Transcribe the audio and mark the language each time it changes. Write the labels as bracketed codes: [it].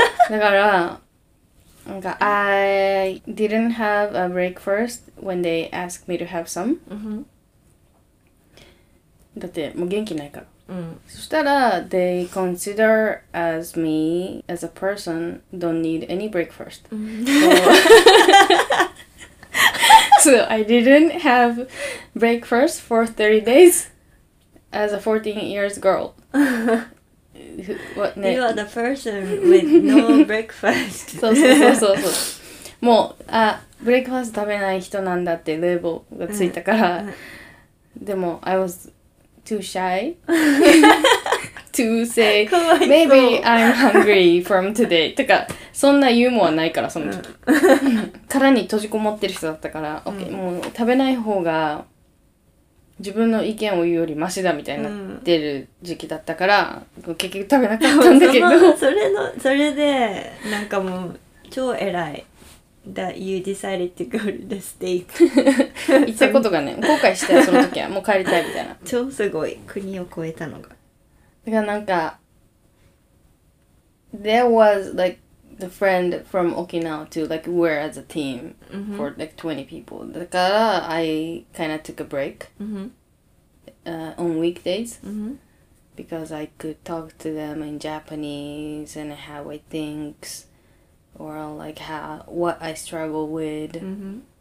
[ja] だから、なんか [en] I didn't have a breakfast when they asked me to have some.、 Mm-hmm. [ja] だってもう元気ないから。そしたら [en] they consider as me as a person don't need any breakfast、so I didn't have breakfast for 30 days as a 14 years girl. What, ne? You are the person with no breakfast. [ja] そうそうそうそうそう。もうあブレイクファースト食べない人なんだってレーボーがついたから、でも [en] I was too shy to say maybe I'm hungry from today [ja] とかそんなユーモアないからその時、殻に閉じこもってる人だったから、うん、OK もう食べない方が自分の意見を言うよりマシだみたいになってる時期だったから、うん、結局食べなかったんだけど、それでなんかもう超偉い。 [en] That you decided to go to the state. [ja] 行ったことがね、後悔したよ、その時は。もう帰りたいみたいな。超すごい。国を越えたのが。だからなんか、 [en] There was like the friend from Okinawa to like wear as a team、mm-hmm. for like 20 people. [ja] だから、 [en] I kind of took a break、mm-hmm. On weekdays.、Mm-hmm. Because I could talk to them in Japanese and how I think or like how, what I struggle with、mm-hmm.